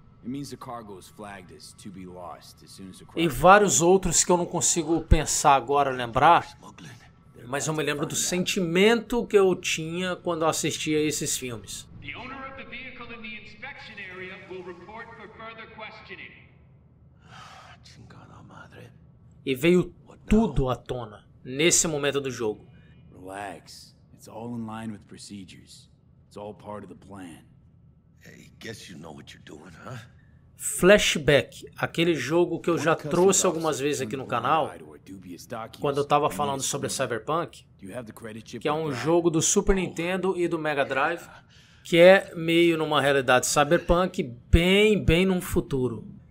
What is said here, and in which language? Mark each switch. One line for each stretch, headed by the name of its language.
English: It means the cargo is flagged as to be lost as soon as the
Portuguese: crew. E vários outros que eu não consigo pensar agora lembrar, mas eu me lembro do sentimento que eu tinha quando eu assistia a esses filmes.
English: The owner of the vehicle in the inspection area will report for further questioning.
Spanish: Chingada madre.
Portuguese: E veio tudo à tona nesse momento do jogo.
English: Relax. It's all in line with procedures. It's all part of the plan. Guess you know what you're doing, huh?
Portuguese: Flashback, aquele jogo que eu já trouxe algumas vezes aqui no canal, quando eu tava falando sobre Cyberpunk, que é um jogo do Super Nintendo e do Mega Drive, que é meio numa realidade Cyberpunk, bem, bem num futuro.